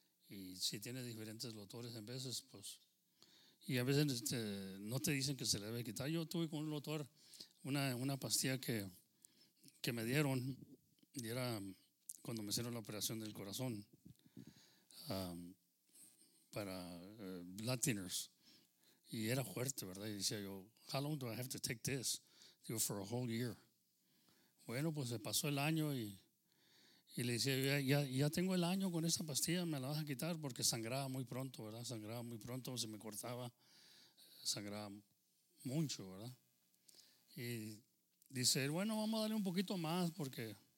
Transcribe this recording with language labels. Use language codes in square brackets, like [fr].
[es] Y si tienes diferentes doctores, en veces, pues. Y a veces no te dicen que se le debe quitar. Yo tuve con un doctor una pastilla que que me dieron, y era cuando me hicieron la operación del corazón, para [en] blood thinners. [es] Y era fuerte, ¿verdad? Y decía yo, [en] how long do I have to take this? [es] Digo, [en] for a whole year. [es] Bueno, pues se pasó el año y le decía, ya tengo el año con esta pastilla, me la vas a quitar, porque sangraba muy pronto, ¿verdad? Sangraba muy pronto, se me cortaba, sangraba mucho, ¿verdad? Y dice, bueno, vamos a darle un poquito más, porque...